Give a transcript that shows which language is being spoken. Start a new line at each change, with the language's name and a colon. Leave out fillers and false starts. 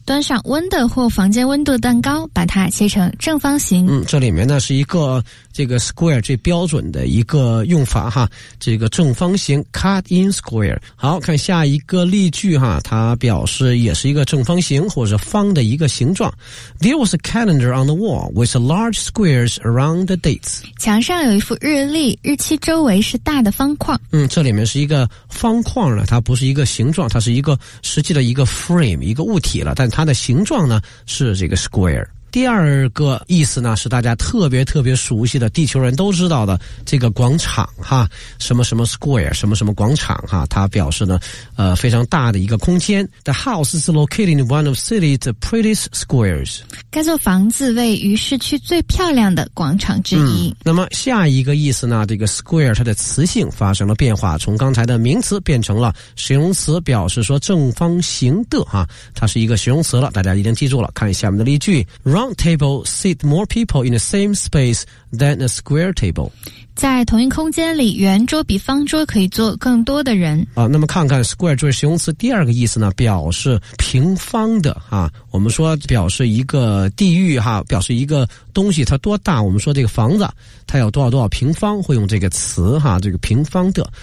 Chinese: 端上温的或房间温度的蛋糕，把它切成正方形。这里面呢是一个。这个 square 最标准的一个用法哈，这个正方形 cut in square。好，看下一个例句哈，它表示也是一个正方形或者是方的一个形状。
English: There was a calendar on the wall with large squares around the dates。
Chinese: 墙上有一副日历，日期周围是大的方框。这里面是一个方框呢，它不是一个形状，它是一个实际的一个 frame， 一个物体了，但它的形状呢是这个 square。第二个意思呢，是大家特别特别熟悉的，地球人都知道的这个广场哈，什么什么 square， 什么什么广场哈，它表示呢，非常大的一个空间。
English: The house is located in one of city's prettiest squares。
Chinese: 该座房子位于市区最漂亮的广场之一。那么下一个意思呢，这个 square 它的词性发生了变化，从刚才的名词变成了形容词，表示说正方形的哈，它是一个形容词了，大家一定记住了。看下面的例句。
English: Round table seat more people in the same space than a square table.
Chinese: 在同一空间里，圆桌比方桌可以坐更多的人。那么看看 square 作为形容词，第二个意思呢，表示平方的哈。我们说表示一个地域哈，表示一个东西它多大。我们说这个房子它有多少多少平方，会用这个词哈，这个平方的。